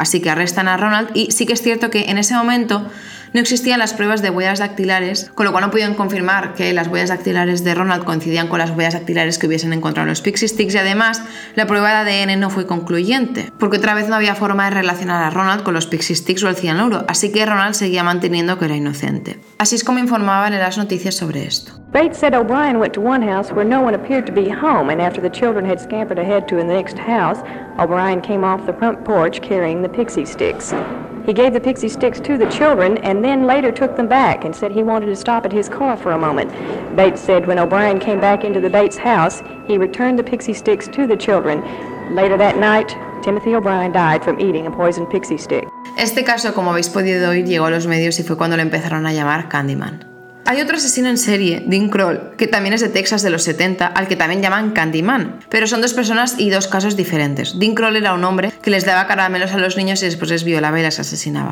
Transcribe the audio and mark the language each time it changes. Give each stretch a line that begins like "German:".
Spanish: Así que arrestan a Ronald, y sí que es cierto que en ese momento no existían las pruebas de huellas dactilares, con lo cual no pudieron confirmar que las huellas dactilares de Ronald coincidían con las huellas dactilares que hubiesen encontrado en los Pixie Sticks, y además la prueba de ADN no fue concluyente, porque otra vez no había forma de relacionar a Ronald con los Pixie Sticks o el cianuro, así que Ronald seguía manteniendo que era inocente. Así es como informaban en las noticias sobre esto.
English: Bates said O'Brien went to one house where no one appeared to be home, and after the children had scampered ahead to the next house, O'Brien came off the front porch carrying the Pixie Sticks. He gave the Pixie Sticks to the children and then later took them back and said he wanted to stop at his car for a moment. Bates said when O'Brien came back into the Bates house, he returned the Pixie Sticks to the children. Later that night, Timothy O'Brien died from eating a poison Pixie Stick.
Spanish: Este caso, como habéis podido oír, llegó a los medios y fue cuando le empezaron a llamar Candyman. Hay otro asesino en serie, Dean Kroll, que también es de Texas de los 70, al que también llaman Candyman. Pero son dos personas y dos casos diferentes. Dean Kroll era un hombre que les daba caramelos a los niños y después les violaba y les asesinaba.